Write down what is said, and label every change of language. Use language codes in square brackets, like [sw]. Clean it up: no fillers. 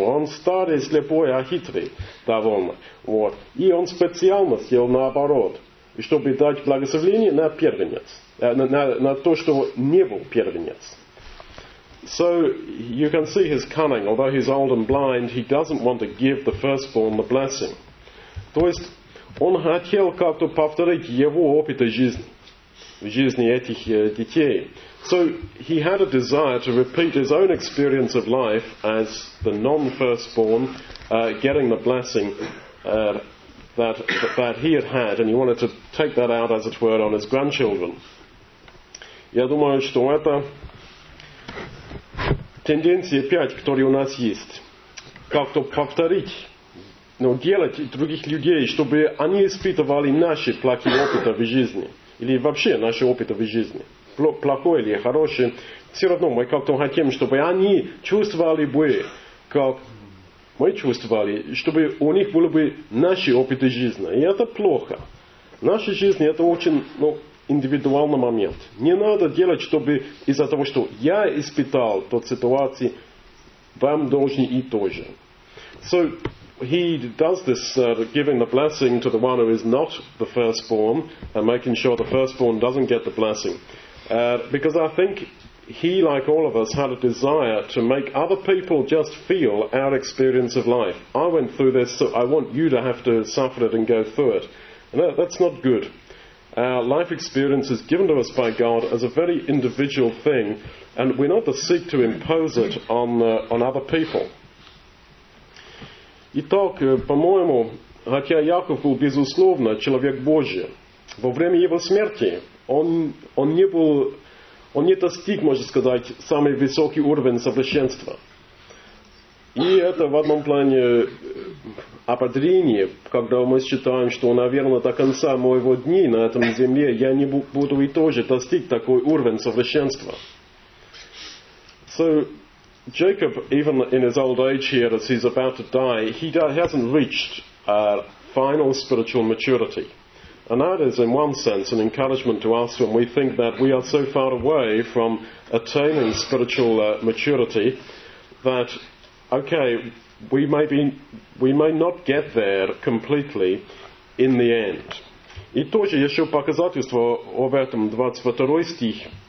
[ru] Он старый, слепой, а хитрый довольно. Вот. И он специально сделал наоборот, чтобы дать благословение на первенец. На то, что не был первенец. [en] So, you can see his cunning. Although he's old and blind, he doesn't want to give the firstborn the blessing. [ru] То есть, он хотел как-то повторить его опыт жизни. В жизни этих детей. [en] So he had a desire to repeat his own experience of life as the non-firstborn, getting the blessing that he had had, and he wanted to take that out, as it were, on his grandchildren. [ru] Я думаю, что это тенденция опять, которая у нас есть, как-то повторить, но делать других людей, чтобы они испытывали наши плохие опыты в жизни, или вообще наши опыты в жизни. Плохой или хороший, все равно мы как-то хотим, чтобы они чувствовали бы, как мы чувствовали, чтобы у них были бы наши опыты жизни. И это плохо. Наша жизнь это очень, ну, индивидуальный момент. Не надо делать, чтобы из-за того, что я испытал тот ситуации, вам должны и тоже. [en] So, he does this, giving the blessing to the one who is not the firstborn, and making sure the firstborn doesn't get the blessing. Because I think he, like all of us, had a desire to make other people just feel our experience of life. I went through this, so I want you to have to suffer it and go through it. And that's not good. Our life experience is given to us by God as a very individual thing, and we're not to seek to impose it on other people. [ru] Итак, по-моему, хотя Яков был, безусловно, человек Божий, во время его смерти он не был, он не достиг, можно сказать, самый высокий уровень совершенства. И это в одном плане ободрение, когда мы считаем, что, наверное, до конца моего дни на этом земле я не буду и тоже достиг такой уровень совершенства. [en] So, Jacob, even in his old age here, as he's about to die, he hasn't reached final spiritual maturity. And that is, in one sense, an encouragement to us when we think that we are so far away from attaining spiritual maturity that, okay, we may not get there completely in the end. [ru] И тоже еще показательство об этом, 22 стих.